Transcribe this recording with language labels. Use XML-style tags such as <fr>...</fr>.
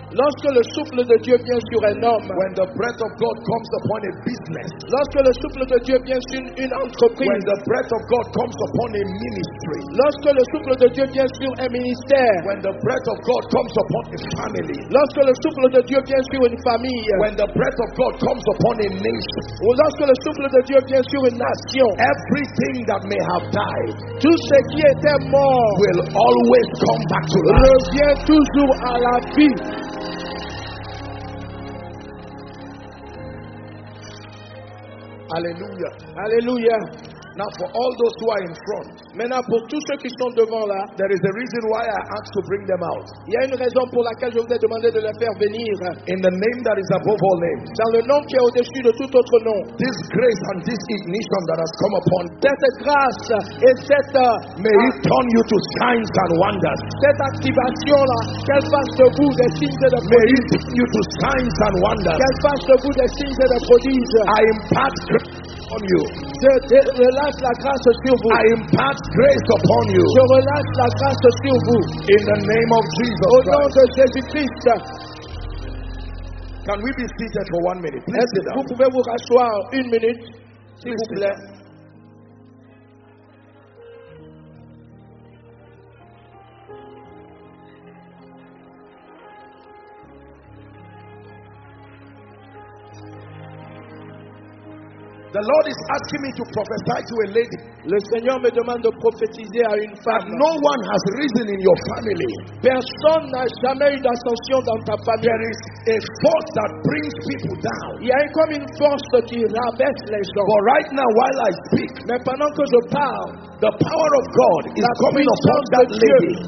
<fr>lorsque le souffle de Dieu vient sur un homme,</fr> <en>when the breath of God comes upon a business,</en> <fr>lorsque le souffle de Dieu vient sur une entreprise,</fr> <en>when the breath of God comes upon a ministry,</en> <fr>lorsque le souffle de Dieu vient sur un ministère,</fr> <en>when the breath of God comes upon a family,</en> <fr>lorsque le souffle de Dieu vient sur une famille,</fr> <en>when the breath of God comes upon a nation,</en> <fr>ou lorsque le souffle de Dieu vient sur une nation,</fr> <en>everything that may have died,</en> <fr>tout ce qui était mort,</fr> <en>will always come back to life.</en> <fr>Revient toujours à la vie. Alléluia. Alléluia.</fr> <en>Now for all those who are in front.</en> <fr>Maintenant pour tous ceux qui sont devant là,</fr> <en>there is a reason why I asked to bring them out.</en> <fr>Il y a une raison pour laquelle je vous ai demandé de les faire venir.</fr> <en>In the name that is above all names.</en> <fr>Dans le nom qui est au-dessus de tout autre nom.</fr> <en>This grace and this ignition that has come upon.</en> <fr>Cette grâce et cette</fr> <en>may it turn you to signs and wonders.</en> <fr>Cette activation là, qu'elle fasse de vous des signes et des prodiges.</fr> <en>May it turn you to signs and wonders.</en> <fr>Qu'elle fasse de vous des signes et des prodiges.</fr> <en>I impart grace on you.</en> <fr>Relâche la grâce sur vous.</fr> <en>I impart grace upon you.</en> <fr>Je relâche la grâce sur vous.</fr> <en>In the name of Jesus.</en> <fr>Au nom de Jésus Christ.</fr> <en>Can we be seated for 1 minute? Please sit down.</en> <fr>Vous pouvez vous rasseoir une minute, s'il vous plaît.</fr> <en>The Lord is asking me to prophesy to a lady.</en> <fr>Le Seigneur me demande de prophétiser à une femme.</fr> <en>No one has risen in your family.</en> <fr>Personne n'a jamais eu d'ascension dans ta famille.</fr> <en>There is a force that brings people down.</en> <fr>Il y a comme une force qui rabaisse les gens.</fr> <en>But right now, while I speak,</en> <fr>mais pendant que je parle,</fr> <en>the power of God is coming upon that lady.</en>